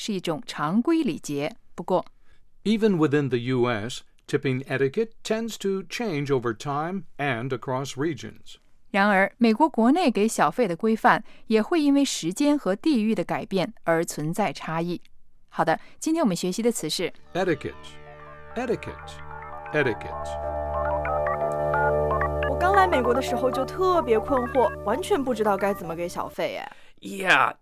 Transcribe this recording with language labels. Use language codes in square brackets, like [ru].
[zh] 法官裁决要求说唱歌手米克米尔去上社交媒体的礼仪课程。在美国，给小费是一种常规礼节。不过， [en] Even within the U.S., tipping etiquette tends to change over time and across regions. [zh] 然而，美国国内给小费的规范也会因为时间和地域的改变而存在差异。好的，今天我们学习的词是etiquette. [en] Etiquette. Etiquette. [zh] 刚来美国的时候就特别困惑，完全不知道该怎么给小费。 [en] Yeah,